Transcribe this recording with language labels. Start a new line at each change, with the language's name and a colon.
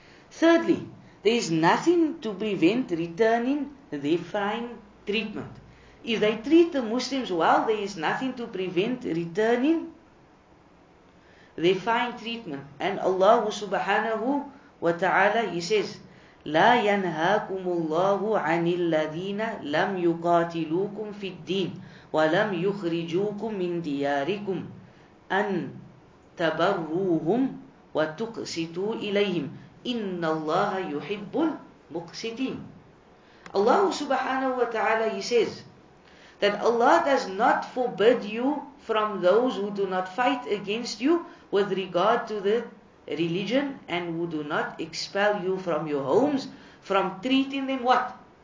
English: Thirdly, there is nothing to prevent returning their fine treatment. If they treat the Muslims well, there is nothing to prevent returning their fine treatment. And Allah subhanahu wa ta'ala, He says,
Arabic: لا ينهاكم الله عن الذين لم يقاتلوكم في الدين ولم يخرجوكم من دياركم أن تبروهم وتقسطوا إليهم إن الله يحب المقسطين.
English: Allah subhanahu wa ta'ala, He says that Allah does not forbid you from those who do not fight against you with regard to the religion, and who do not expel you from your homes, from treating them what?